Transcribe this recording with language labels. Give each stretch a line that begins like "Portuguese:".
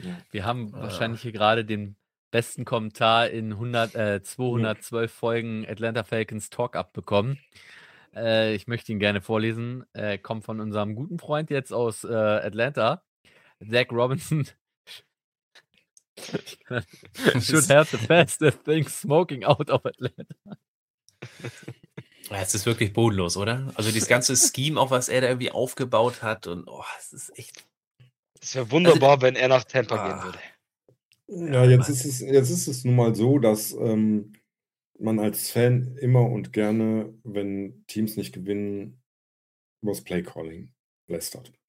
German: Wir haben wahrscheinlich hier gerade den besten Kommentar in 212 Folgen Atlanta Falcons Talk abbekommen. Ich möchte ihn gerne vorlesen. Kommt von unserem guten Freund jetzt aus Atlanta, Zach Robinson.
English: Should have the fastest thing smoking out of Atlanta.
German: Es ist wirklich bodenlos, oder? Also dieses ganze Scheme, auch was er da irgendwie aufgebaut hat und es ist echt. Es wäre wunderbar, also, wenn er nach Tampa gehen würde. Ja, jetzt ist es nun mal so, dass man als Fan immer und gerne, wenn Teams nicht gewinnen, was Playcalling lästert.